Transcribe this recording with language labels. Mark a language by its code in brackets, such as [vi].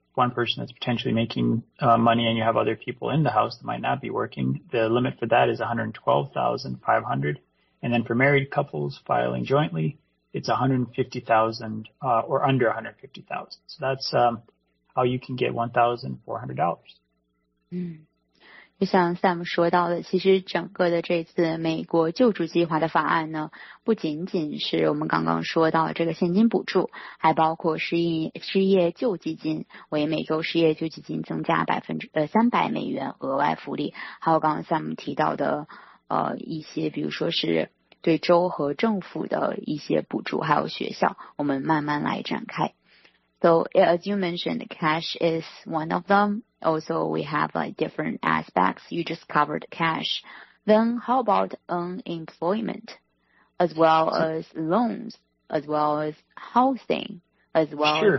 [en] one person that's potentially making money and you have other people in the house that might not be working, the limit for that is $112,500. And then for married couples filing jointly, it's $150,000 or under $150,000. So that's how you can get $1,400. [zh] 就像 Sam 说到的，其实整个的这次美国救助计划的法案呢，不仅仅是我们刚刚说到这个现金补助，还包括失业救济金，为每周失业救济金增加300美元额外福利，还有刚刚 Sam 提到的一些，比如说是对州和政府的一些补助，还有学校，我们慢慢来展开。 [en] So as you mentioned, cash is one of them. Also, we have like different aspects. You just covered cash. Then how about unemployment as well as loans, as well as housing, as well sure.